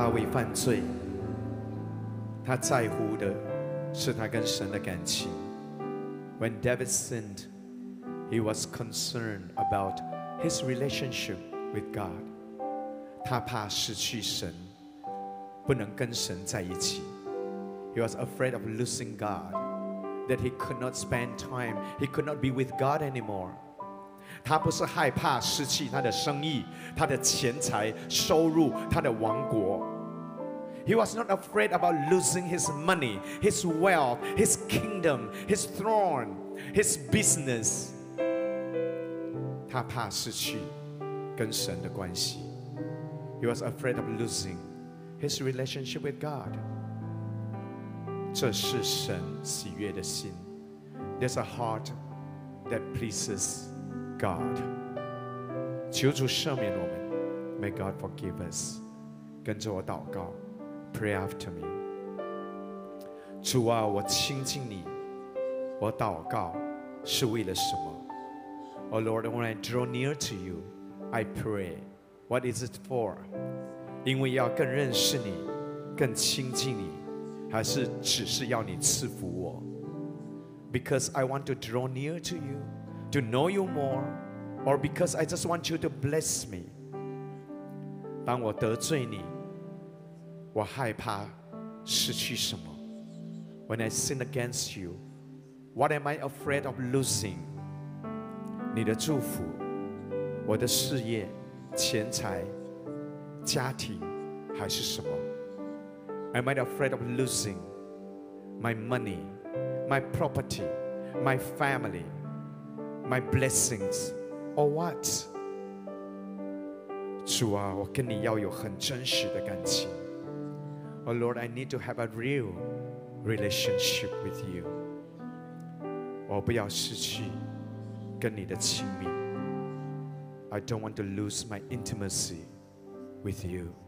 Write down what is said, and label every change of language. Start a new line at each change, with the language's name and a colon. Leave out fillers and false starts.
Chinese: 犯罪，他在乎的是他跟神的感情。
English: When David sinned, he was concerned about his relationship with God.
Chinese: 他怕失去神，不能跟神在一起。
English: He was afraid of losing God, that he could not spend time, he could not be with God anymore.
Chinese: 他不是害怕失去他的生意、他的钱财、收入、他的王国。
English: He was not afraid about losing his money, his wealth, his kingdom, his throne. his business.
Chinese: 他怕失去跟神的关系。
English: He was afraid of losing his relationship with God.
Chinese: 这是神喜悦的心。
English: There's a heart that pleases God.
Chinese: 求主赦免我们。
English: May God forgive us.
Chinese: 跟着我祷告。
English: Pray after me.
Chinese: 主啊，我亲近你，我祷告是为了什么？
English: Oh Lord, when I draw near to you, I pray. What is it for?
Chinese: 因为要更认识你，更亲近你，还是只是要你赐福我？
English: Because I want to draw near to you, to know you more, or because I just want you to bless me.
Chinese: 当我得罪你，我害怕失去什么？
English: When I sin against you, what am I afraid of losing?
Chinese: 你的祝福，我的事业、钱财、家庭，还是什么？
English: Am I afraid of losing my money, my property, my family, my blessings, or what?
Chinese: 主啊，我跟你要有很真实的感情。
English: Oh Lord, I need to have a real relationship with you.
Chinese: 我不要失去跟你的亲密。
English: I don't want to lose my intimacy with you.